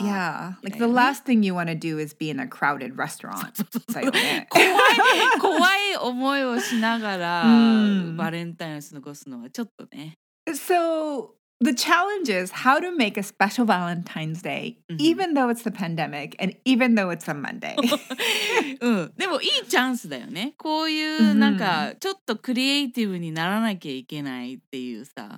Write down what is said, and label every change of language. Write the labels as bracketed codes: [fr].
[en] Yeah, like the last thing you want to do is be in a crowded restaurant. [ja] そうそうそう 怖い思いをしながら、mm-hmm. バレンタインを過ごすのはちょっとね [en] So the challenge is how to make a special Valentine's Day、mm-hmm. even though it's the pandemic and even though it's a Monday. [ja] 、うん、でもいいチャンスだよね。こういうなんかちょっとクリエイティブにならなきゃいけないっていうさ。